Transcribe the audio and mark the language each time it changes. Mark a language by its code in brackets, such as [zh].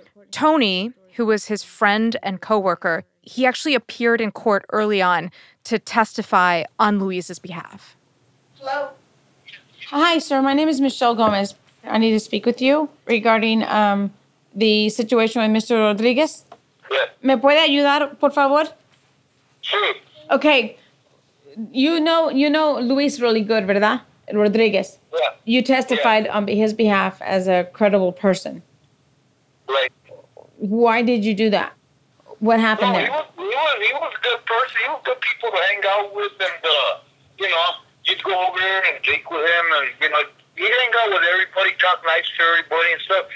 [en] Tony, who was his friend and coworker, he actually appeared in court early on to testify on Luis's behalf. Hello? Hi, sir. My name is Michelle Gomez. I need to speak with you regarding the situation with Mr. Rodriguez. Yes. [es] ¿Me puede ayudar, por favor? [en] Sure. Okay. You know Luis really good, [es] ¿verdad? [en] Rodriguez. Yeah. You testified on his behalf as a credible person. Right. Why did you do that? What happened there? He was a good person. He was good people to hang out with and, you'd go over there and drink with him, and he'd hang out with everybody, talk nice to everybody and stuff.